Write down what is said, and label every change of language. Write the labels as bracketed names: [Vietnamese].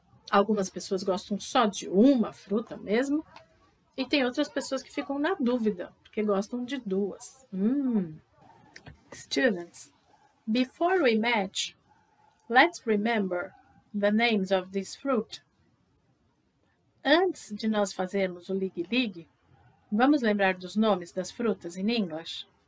[Portuguese] Algumas pessoas gostam só de uma fruta mesmo. E tem outras pessoas que ficam na dúvida, porque gostam de duas. [English] Students, before we match, let's remember the names of this fruit. [Portuguese] Antes de nós fazermos o ligue-ligue, vamos lembrar dos nomes das frutas [English] in English?